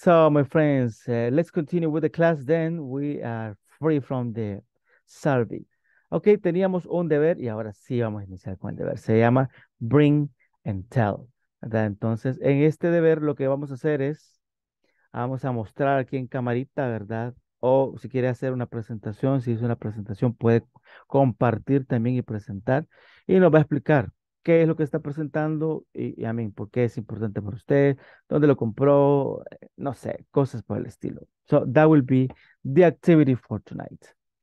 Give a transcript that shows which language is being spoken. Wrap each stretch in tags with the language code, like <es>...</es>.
<en>So, my friends, let's continue with the class. Then we are free from the survey.</en> <es>Ok, teníamos un deber y ahora sí vamos a iniciar con el deber. Se llama Bring and Tell. ¿Verdad? Entonces, en este deber lo que vamos a hacer es, vamos a mostrar aquí en camarita, ¿verdad? o si quiere hacer una presentación, si hizo una presentación, puede compartir también y presentar. Y nos va a explicar qué es lo que está presentando y a mí, por qué es importante para usted, dónde lo compró, no sé, cosas por el estilo.</es> <en>So that will be the activity for tonight.</en>